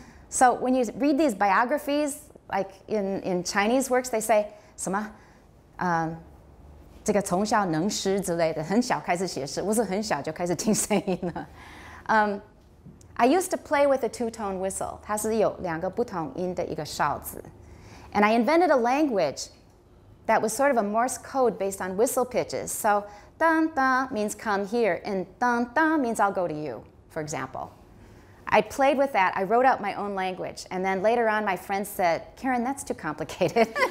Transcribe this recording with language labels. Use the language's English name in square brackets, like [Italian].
[English] So when you read these biographies, like in Chinese works, they say [Chinese] 什么，这个从小能诗之类的，很小开始写诗，我是很小就开始听声音了。 [English] I used to play with a two-tone whistle. [Chinese] 它是有两个不同音的一个哨子。 [English] And I invented a language that was sort of a Morse code based on whistle pitches. So, dun dun means come here, and dun dun means I'll go to you, for example. I played with that, I wrote out my own language, and then later on my friend said, Karen, that's too complicated.